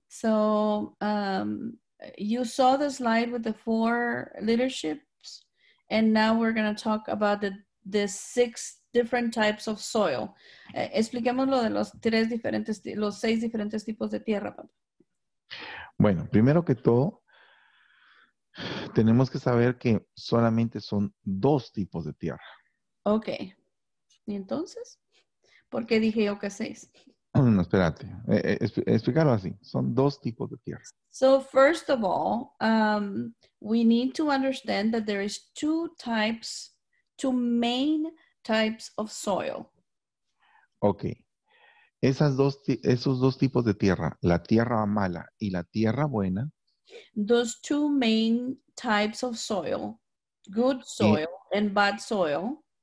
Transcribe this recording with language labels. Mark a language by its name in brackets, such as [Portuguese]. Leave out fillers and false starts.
[English] So, you saw the slide with the 4 leaderships, and now we're gonna talk about the 6 different types of soil. [Spanish] Expliquemos lo de los 3 diferentes, los 6 diferentes tipos de tierra. Bueno, primero que todo, tenemos que saber que solamente son 2 tipos de tierra. Ok. ¿Y entonces? ¿Por qué dije yo que 6? No, espérate. Explícalo así. Son 2 tipos de tierra. [English] So, first of all, we need to understand that there is 2 types, 2 main types of soil. Ok. [Spanish] Esos dos tipos de tierra, la tierra mala y la tierra buena. [English] Those 2 main types of soil, good soil and bad soil.